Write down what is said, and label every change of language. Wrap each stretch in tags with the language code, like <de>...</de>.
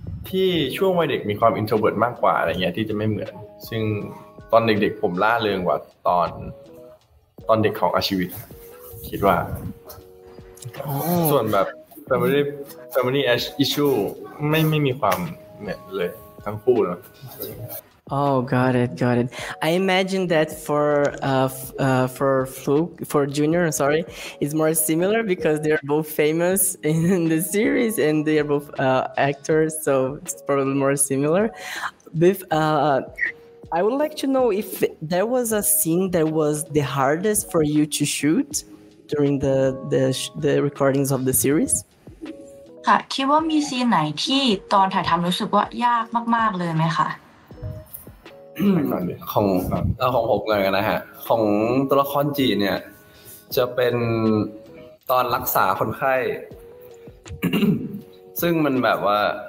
<th>ที่ช่วงวัยเด็กมีความอินโทรเวิร์ตมากกว่าอะไรเงี้ยที่จะไม่เหมือนซึ่งตอนเด็กๆผมล่าเริงกว่าตอนเด็กของอาชีวิตคิดว่า ส่วนแบบ family issue ไม่มีความเหมือนเลยทั้งคู่นะ</th> <en>Oh, got it. I imagine that for Junior, sorry, it's more similar because they're both famous in the series and they are both actors, so it's probably more similar. But I would like to know if there was a scene that was the hardest for you to shoot during the recordings of the series.</en> <th>ค่ะ คิดว่ามีซีนไหนที่ตอนถ่ายทำรู้สึกว่ายากมากๆเลยไหมคะ ของผมเลยนะฮะของตัวละครจีเนี่ยจะเป็นตอนรักษาคนไข้ ซึ่งมันแบบว่า</th>